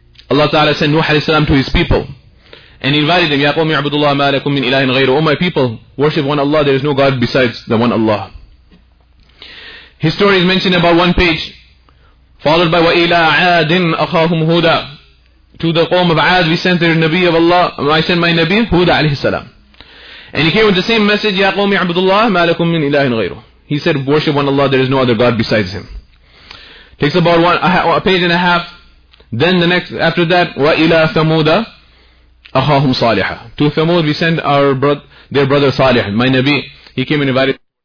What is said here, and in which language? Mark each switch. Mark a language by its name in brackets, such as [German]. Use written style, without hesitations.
[English] Allah Ta'ala sent Nuh alayhi salam to his people and invited them, [Arabic] يَا قَوْمِ عَبُدُ اللَّهَ مَا لَكُمْ مِنْ إِلَٰهٍ غَيْرُهُ. [English] O my people, worship one Allah, there is no God besides the one Allah. His story is mentioned about one page, followed by [Arabic] وَإِلَىٰ عَادٍ أَخَاهُمْ هُدَىٰ. [English] To the Qawm of Aad, we sent their Nabi of Allah, I sent my Nabi, Huda alayhi salam. And he came with the same message, [Arabic] يَا قَوْمِ عَبُدُ اللَّهَ مَا لَكُمْ مِنْ إِلَٰهٍ غَيْرُهُ. [English] He said, worship one Allah, there is no other God besides Him. Takes about a page and a half. Then the next, after that, [Arabic] وَإِلَىٰ ثَمُودَ أخاهم صالحا. [English] To Thamud we send our brother, their brother Salih. My Nabi, he came and invited.